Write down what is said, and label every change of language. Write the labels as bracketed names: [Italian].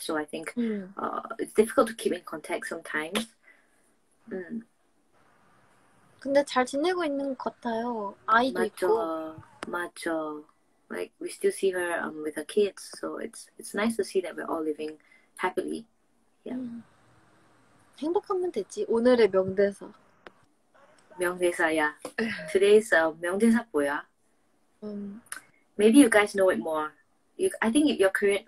[English] So I think it's difficult to keep in contact sometimes. [Korean] 근데 잘 지내고 있는 것 같아요. 아이도 맞죠. 있고. 맞죠. [English] Like we still see her with her kids, so it's nice to see that we're all living happily. Yeah. [Korean] 행복하면 되지. 오늘의 명대사. 명대사야. [English] Today's [Korean] 명대사 뭐야? [English] Maybe you guys know it more. I think your Korean.